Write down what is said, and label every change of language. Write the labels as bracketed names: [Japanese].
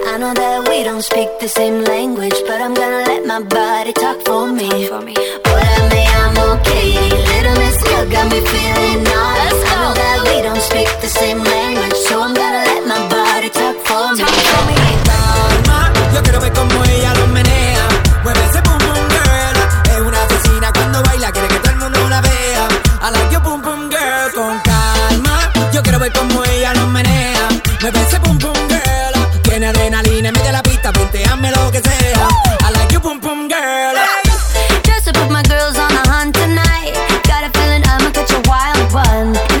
[English] I know that we don't speak the same language, but I'm gonna let my body talk for me. [Spanish] Hola, me llamo Katie, [English] little miss girl got me feeling nice. I know that we don't speak the same language, so I'm gonna let my body talk for me. Talk for me. [Spanish] Yo quiero ver cómo ella lo menea. Mueve ese boom boom girl. Es una asesina cuando baila. Quiere que todo el mundo la vea. [English] I like your boom boom girl. [Spanish] Con calma. Yo quiero ver cómo ella lo menea. Mueve ese boom boom girl. Tiene adrenalina, mete la pista. Punteame lo que sea. [English] I like your boom boom girl. Just to put my girls on the hunt tonight. Got a feeling I'ma catch a wild one.